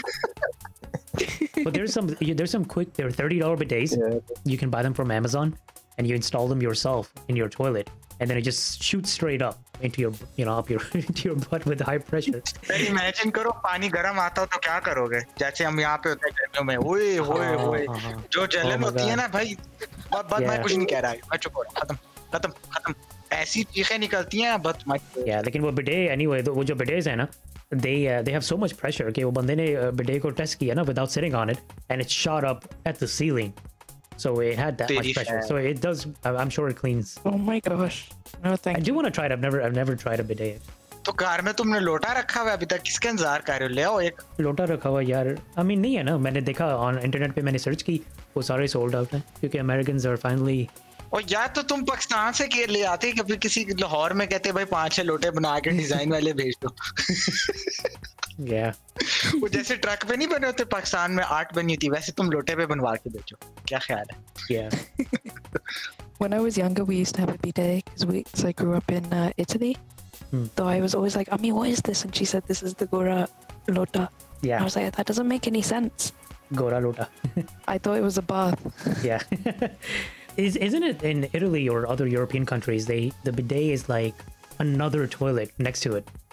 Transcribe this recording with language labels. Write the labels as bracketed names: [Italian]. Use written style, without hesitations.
[English] but there is some quick there $30 bidets you can buy them from Amazon and you install them yourself in your toilet and then it just shoots straight up into your you know up your into your butt with high pressure [Hindi] imagine करो पानी गर्म आता हो तो क्या करोगे जैसे हम यहां पे होते हैं गर्मियों में ओए होए होए जो जलन होती है ना भाई बस मैं कुछ नहीं कह रहा मैं चुप हो खत्म [English] Yeah, they can go bidet anyway. The [Hindi] jo bidets hai na, [English] they have so much pressure. Okay, [Hindi] wo bande ne bidet ko test kiya na [English] without sitting on it, and it shot up at the ceiling. So it had that much pressure. So it does. I'm sure it cleans. Oh my gosh! No thanks. I do want to try it. I've never tried a bidet. [Hindi] तो car में तुमने लोटा रखा हुआ है अभी तक किसके इंतजार कर रहे हो ले आओ एक लोटा रखा हुआ यार आई मीन नहीं है ना मैंने देखा ऑन इंटरनेट पे मैंने सर्च की वो सारे सोल्ड आउट है क्योंकि [English] Americans are finally [Hindi] और यार तो तुम पाकिस्तान से के ले आते कभी किसी लाहौर में कहते भाई 5-6 लोटे बना के डिजाइन वाले भेज दो [English] yeah. [Hindi] वो जैसे ट्रक पे नहीं बने होते पाकिस्तान में 8 बनी होती वैसे तुम लोटे पे बनवा के भेजो क्या ख्याल है [English] yeah. When I was younger, we used to have a bidet because I grew up in Italy. So I was always like, Ami, what is this? And she said, this is the Gora Lota. Yeah. I was like, that doesn't make any sense. Gora Lota. I thought it was a bath. Yeah. Isn't it in Italy or other European countries, the bidet is like another toilet next to it.